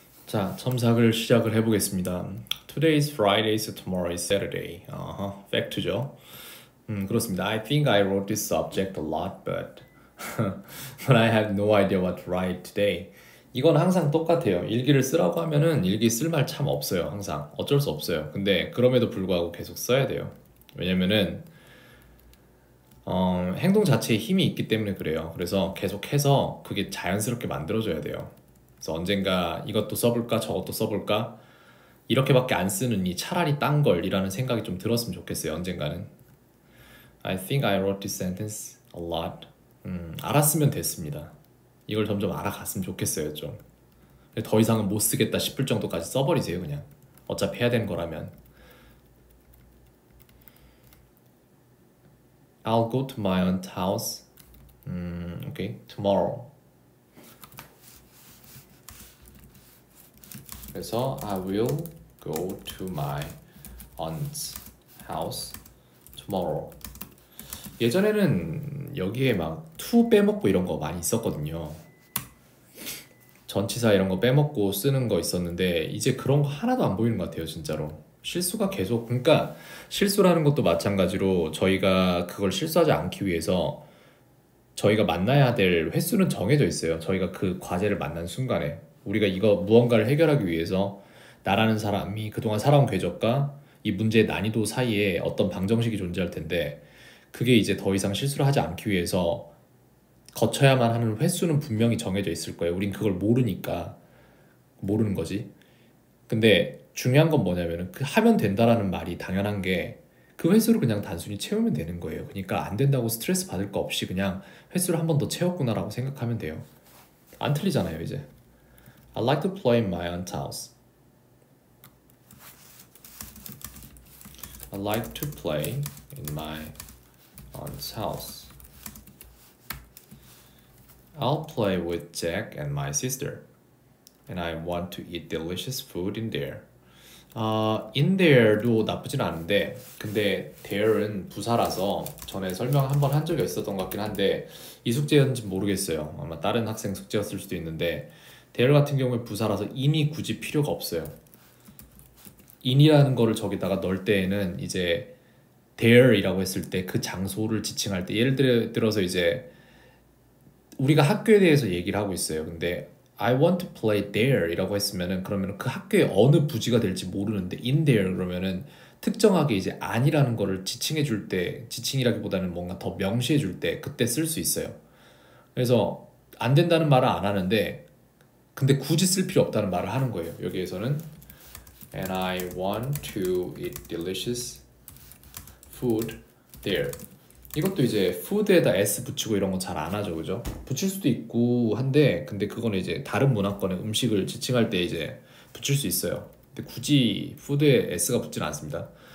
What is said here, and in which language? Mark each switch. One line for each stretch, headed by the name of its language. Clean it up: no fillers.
Korean: 자, 첨삭을 시작을 해보겠습니다.
English: Today is Friday, so tomorrow is Saturday.
Korean: Fact죠? 그렇습니다.
English: I think I wrote this subject a lot, but I have no idea what to write today.
Korean: 이건 항상 똑같아요. 일기를 쓰라고 하면은 일기 쓸말참 없어요. 항상. 어쩔 수 없어요. 근데 그럼에도 불구하고 계속 써야 돼요. 왜냐면은, 행동 자체에 힘이 있기 때문에 그래요. 그래서 계속해서 그게 자연스럽게 만들어져야 돼요. 그래서 언젠가 이것도 써볼까 저것도 써볼까 이렇게밖에 안 쓰느니 차라리 딴 걸이라는 생각이 좀 들었으면 좋겠어요 언젠가는.
English: I think I wrote this sentence a lot.
Korean: 알았으면 됐습니다. 이걸 점점 알아갔으면 좋겠어요 좀. 더 이상은 못 쓰겠다 싶을 정도까지 써버리세요 그냥. 어차피 해야 되는 거라면.
English: I'll go to my aunt's house. Okay, tomorrow.
Korean: 그래서
English: I will go to my aunt's house tomorrow.
Korean: 예전에는 여기에 막투 빼먹고 이런 거 많이 있었거든요. 전치사 이런 거 빼먹고 쓰는 거 있었는데 이제 그런 거 하나도 안 보이는 것 같아요, 진짜로. 실수가 계속, 그러니까 실수라는 것도 마찬가지로 저희가 그걸 실수하지 않기 위해서 저희가 만나야 될 횟수는 정해져 있어요. 저희가 그 과제를 만난 순간에. 우리가 이거 무언가를 해결하기 위해서 나라는 사람이 그동안 살아온 궤적과 이 문제의 난이도 사이에 어떤 방정식이 존재할 텐데 그게 이제 더 이상 실수를 하지 않기 위해서 거쳐야만 하는 횟수는 분명히 정해져 있을 거예요. 우린 그걸 모르니까 모르는 거지. 근데 중요한 건 뭐냐면은 그 하면 된다라는 말이 당연한 게그 횟수를 그냥 단순히 채우면 되는 거예요. 그러니까 안 된다고 스트레스 받을 거 없이 그냥 횟수를 한번더 채웠구나라고 생각하면 돼요. 안 틀리잖아요, 이제.
English: I'd like to play in my aunt's house. I'd like to play in my aunt's house. I'll play with Jack and my sister. And I want to eat delicious food in there. In there
Korean: 도 나쁘진 않은데, 근데 there은 부사라서 전에 설명 한번한 적이 있었던 것 같긴 한데, 이 숙제였는지 모르겠어요. 아마 다른 학생 숙제였을 수도 있는데, 델 같은 경우에 부사라서 인이 굳이 필요가 없어요. 인이라는 거를 저기다가 넣을 때에는 이제 델이라고 했을 때그 장소를 지칭할 때 예를 들어서 이제 우리가 학교에 대해서 얘기를 하고 있어요. 근데
English: I want to play there
Korean: 이라고 했으면은 그러면 그 학교의 어느 부지가 될지 모르는데
English: in there
Korean: 그러면은 특정하게 이제 안이라는 거를 지칭해 줄 때, 지칭이라기보다는 뭔가 더 명시해 줄때 그때 쓸수 있어요. 그래서 안 된다는 말을 안 하는데 근데 굳이 쓸 필요 없다는 말을 하는 거예요. 여기에서는
English: And I want to eat delicious food there.
Korean: 이것도 이제 food에다 s 붙이고 이런 거잘안 하죠, 그죠? 붙일 수도 있고 한데, 근데 그거는 이제 다른 문화권의 음식을 지칭할 때 이제 붙일 수 있어요. 근데 굳이 food에 s가 붙진 않습니다.